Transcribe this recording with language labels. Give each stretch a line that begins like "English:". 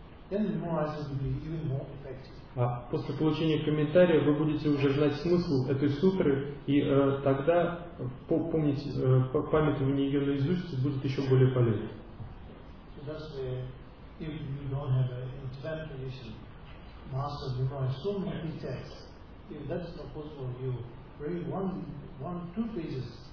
English: Then the memorization will be even more effective.
Russian: А после получения комментария вы будете уже знать смысл этой сутры, и тогда памятование ее наизусть будет еще более полезно.
English: So that's if you don't have an intellectual tradition, master memorize so many texts. If that's not possible, you read two pages.